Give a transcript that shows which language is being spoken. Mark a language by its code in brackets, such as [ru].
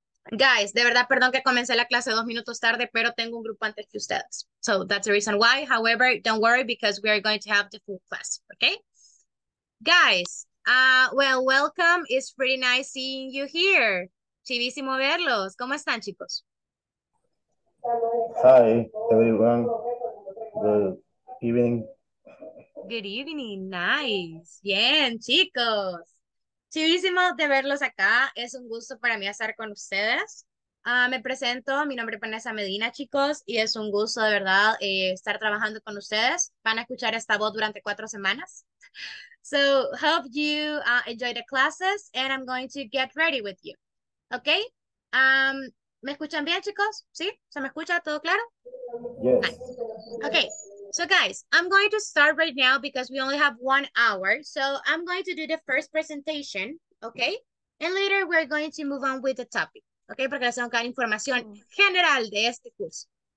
[es] Guys, de verdad, perdón que comencé la clase 2 minutos tarde, pero tengo un grupo antes que ustedes. [en] So that's the reason why. However, don't worry because we are going to have the full class, okay? Guys, welcome. It's pretty nice seeing you here. [es] Chivísimo verlos. ¿Cómo están, chicos? [en] Hi everyone. Good evening. Good evening, nice. [es] Bien, chicos. Chivísimo de verlos acá. Es un gusto para mí estar con ustedes. Me presento, mi nombre es Vanessa Medina, chicos, y es un gusto de verdad estar trabajando con ustedes. Van a escuchar esta voz durante 4 semanas. [en] So, hope you enjoy the classes and I'm going to get ready with you. [es] Okay? ¿Me escuchan bien, chicos? ¿Sí? ¿Se me escucha todo claro? [en] Yes. Nice. Okay. So guys, I'm going to start right now because we only have 1 hour. So I'm going to do the first presentation, okay? And later we're going to move on with the topic, okay? [es] Porque les tengo que dar información general de este curso.